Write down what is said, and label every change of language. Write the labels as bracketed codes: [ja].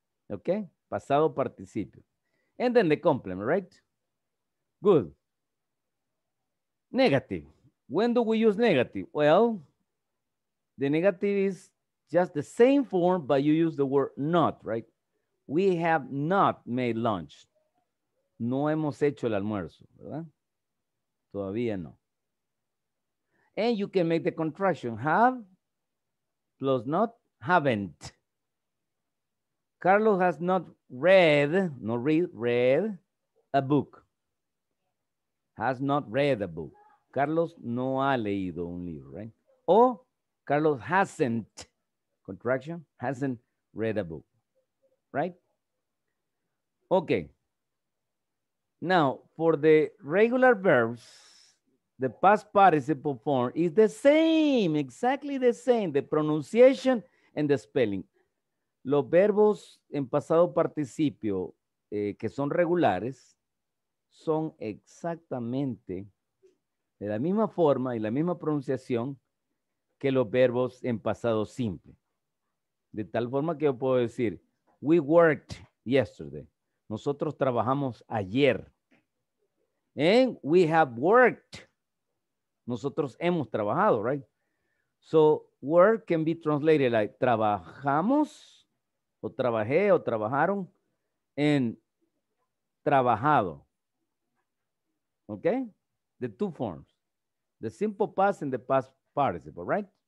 [en] Okay, pasado participio. And then the complement, right? Good. Negative. When do we use negative? Well, the negative is just the same form, but you use the word not, right? We have not made lunch. [es] No hemos hecho el almuerzo, ¿verdad? Todavía no. [en] And you can make the contraction have plus not haven't. Carlos has not read, read a book. Has not read a book. [es] Carlos no ha leído un libro, [en] right? O Carlos hasn't, contraction, hasn't read a book, right? Okay. Now, for the regular verbs, the past participle form is the same, exactly the same, the pronunciation and the spelling. [es] Los verbos en pasado participio que son regulares son exactamente de la misma forma y la misma pronunciación que los verbos en pasado simple. De tal forma que yo puedo decir, [en] we worked yesterday. [es] Nosotros trabajamos ayer. [en] And we have worked. [es] Nosotros hemos trabajado, right? [en] So, work can be translated like [es] trabajamos, o trabajé, o trabajaron, en trabajado. [en] Okay? The two forms. The simple past and the past participle, right?